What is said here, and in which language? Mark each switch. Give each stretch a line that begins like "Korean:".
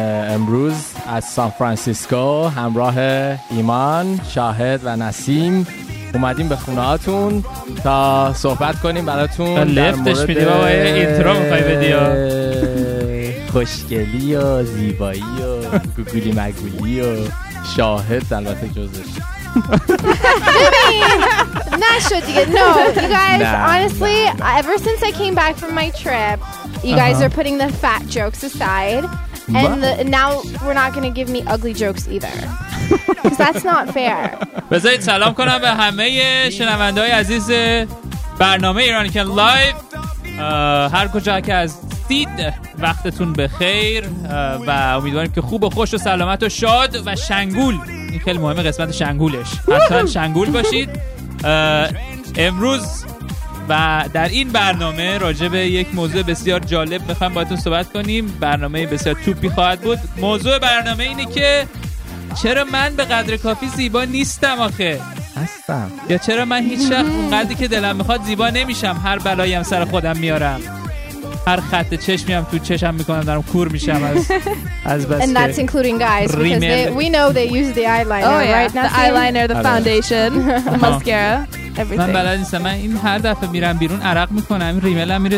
Persian: امروز از سان فرانسیسکو همراه ایمان، شاهد و نسیم اومدیم به خونه هاتون تا صحبت کنیم براتون. لفتش میدی بابا، یه اینترو میخوایی بدی ها. خوشگلی و زیبایی و گوگولی مگولی و شاهد البته جزش. ببین نشد دیگه.
English: No, you guys, honestly, ever since I came back from my trip, you guys are putting the fat jokes aside, and now we're not going to give me ugly jokes either. Because that's not fair.
Persian: بذارید سلام کنم به همه شنونده های عزیز برنامه ایرانی کن لایف. هر کجا که از دید وقتتون بخیر و امیدواریم که خوب و خوش و سلامت و شاد و شنگول. این خیلی مهمه، قسمت شنگولش، حتما شنگول باشید. امروز و در این برنامه راجع به یک موضوع بسیار جالب میخوام باهاتون صحبت کنیم. برنامه بسیار توپی خواهد بود. موضوع برنامه اینه که چرا من به قدر کافی زیبا نیستم آخه؟ هستم. یا چرا من هیچ وقت اونقدری که دلم میخواد زیبا نمیشم؟ هر بلایی هم سر خودم میارم، هر خط چشمی هم تو چشم میکنم دارم کور میشم از بس.
English: And that's including guys because we know they use the eyeliner. Oh yeah, right, the eyeliner, the foundation, the mascara, everything.
Persian: من بلد نیستم، من این هر دفعه میرم بیرون عرق میکنم، ریمل هم میره